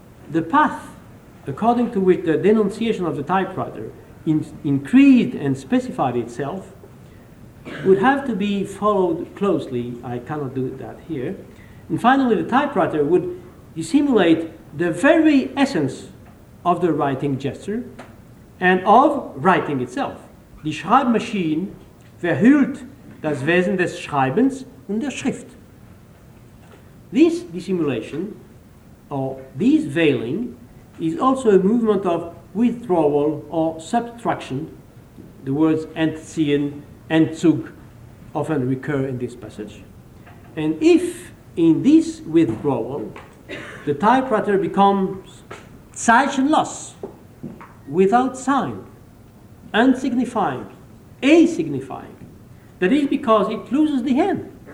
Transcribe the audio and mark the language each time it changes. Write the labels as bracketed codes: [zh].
[en] The path according to which the denunciation of the typewriter increased and specified itself would have to be followed closely. I cannot do that here. And finally, the typewriter would dissimulate the very essence of the writing gesture and of writing itself. [de] Die Schreibmaschine verhüllt das Wesen des Schreibens und der Schrift. [en] This dissimulation, or this veiling, is also a movement of withdrawal or subtraction. The words entziehen, entzug, often recur in this passage. And if in this withdrawal the typewriter becomes zeichenlos, without sign, unsignifying, asignifying, that is because it loses the hand.